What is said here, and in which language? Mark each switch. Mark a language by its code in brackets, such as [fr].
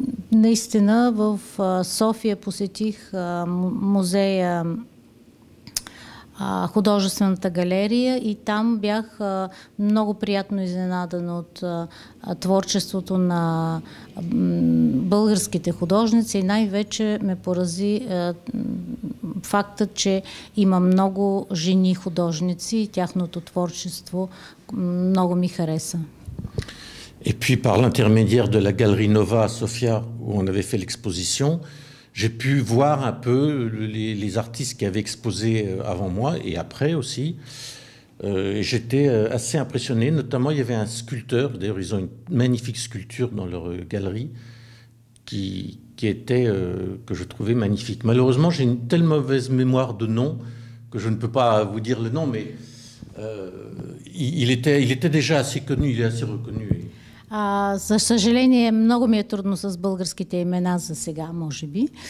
[bg] наистина в София посетих музея, художествената галерия, и там бях много приятно изненадан от творчеството на българските художници, и най-вече ме порази фактът, че има много жени художници и тяхното творчество много ми хареса. [fr] Et puis par l'intermédiaire de la galerie Nova à Sofia, où on avait fait l'exposition, j'ai pu voir un peu les artistes qui avaient exposé avant moi et après aussi. J'étais assez impressionné. Notamment, il y avait un sculpteur. D'ailleurs, ils ont une magnifique sculpture dans leur galerie qui était, que je trouvais magnifique. Malheureusement, j'ai une telle mauvaise mémoire de nom que je ne peux pas vous dire le nom, mais il était déjà assez connu, il est assez reconnu. [bg] За съжаление, много ми е трудно с българските имена за сега, може би.